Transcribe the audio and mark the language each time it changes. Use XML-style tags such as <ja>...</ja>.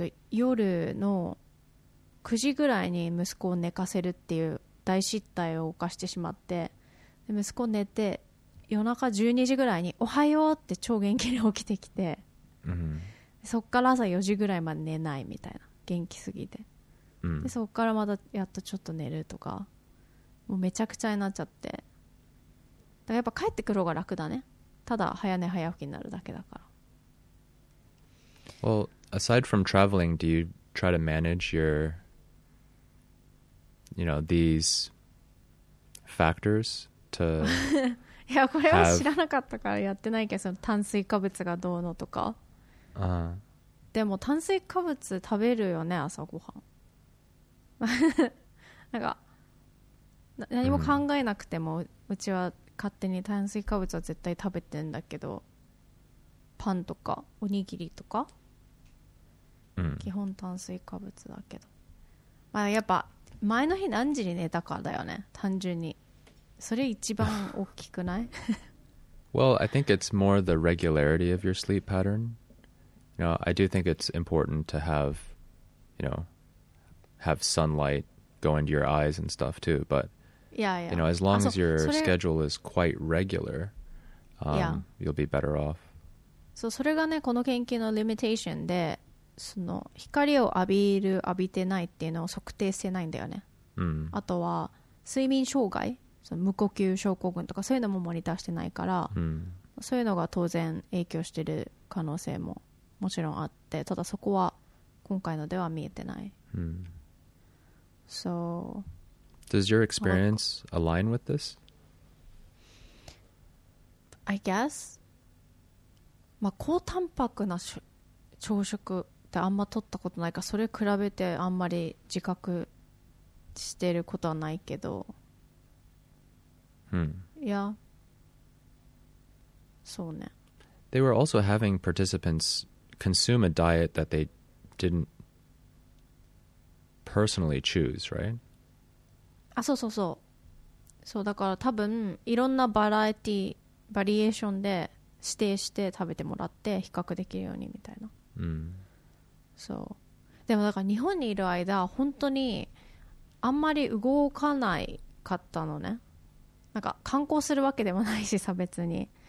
<ja>夜の9時ぐらいに息子を寝かせるっていう大失態を犯してしまってで息子寝て夜中12時ぐらいにおはようって超元気に起きてきてそっから朝4時ぐらいまで寝ないみたいな元気すぎて、うん、でそっからまたやっとちょっと寝るとかもうめちゃくちゃになっちゃってだからやっぱ帰ってくる方が楽だねただ早寝早起きになるだけだから</ja> <en>Well, aside from traveling, do you try to manage your you know, these factors to</en> <ja>いやこれは知らなかったからやってないけどその炭水化物がどうのとかでも炭水化物食べるよね朝ごはんなんか何も考えなくても、うん、うちは勝手に炭水化物は絶対食べてんだけどパンとかおにぎりとか、うん、基本炭水化物だけど、まあ、やっぱ前の日何時に寝たかだよね単純にそれ一番大きくない</ja> <en>Well, I think it's more the regularity of your sleep patternYou know, I do think it's important to have, you know, have sunlight go into your eyes and stuff too. But, yeah, yeah. you know, as long as your schedule is quite regular, you'll be better off.</en> <ja>So, それがね、この研究のリミテーションで、その光を浴びる浴びてないっていうのを測定してないんだよね。あとは睡眠障害、その無呼吸症候群とかそういうのもモニターしてないから、そういうのが当然影響してる可能性も。もちろんあってただそこは今回のでは見えてない、 hmm. So</ja> <en>Does your experience align with this? I guess</en> <ja>まあ高タンパクな朝食ってあんま取ったことないからそれ比べてあんまり自覚してることはないけど、いやそうね</ja> <en>They were also having participantsconsume a diet that they didn't personally choose, right?</en> <ja>あ、そうそうそう。そうだから多分いろんなバラエティバリエーションで指定して食べてもらって比較できるようにみたいな。そう。でもだから日本にいる間本当にあんまり動かないかったのね。なんか観光するわけでもないしさ別に。</ja>